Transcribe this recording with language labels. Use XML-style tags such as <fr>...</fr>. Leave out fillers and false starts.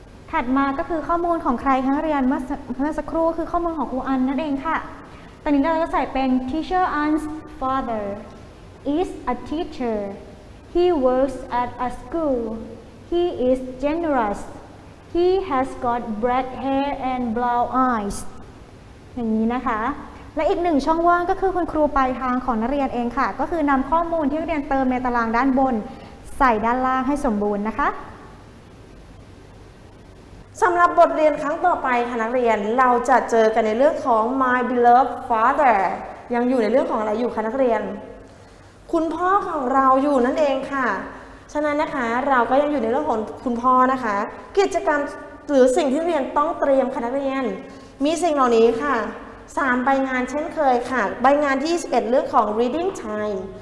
<th>ถัดมาก็คือข้อมูลของใครคะเรียนเมื่อสักครู่คือข้อมูลของครูอันนั่นเองค่ะตอนนี้เราจะใส่เป็น</th> <en>Teacher Ann's father is a teacher he works at a schoolHe is generous. He has got black hair and brown eyes.</en> <th>อย่างนี้นะคะและอีกหนึ่งช่องว่างก็คือคุณครูปลายทางของนักเรียนเองค่ะก็คือนำข้อมูลที่นักเรียนเติมในตารางด้านบนใส่ด้านล่างให้สมบูรณ์นะคะ สำหรับบทเรียนครั้งต่อไปค่ะนักเรียนเราจะเจอกันในเรื่องของ</th> <en>My beloved father</en> <th>ยังอยู่ในเรื่องของอะไรอยู่คะนักเรียนคุณพ่อของเราอยู่นั่นเองค่ะฉะนั้นนะคะเราก็ยังอยู่ในเรื่องของคุณพ่อนะคะกิจกรรมหรือสิ่งที่เรียนต้องเตรียมคณะเรียนมีสิ่งเหล่านี้ค่ะ3ใบงานเช่นเคยค่ะใบงานที่21เรื่องของ reading time</th>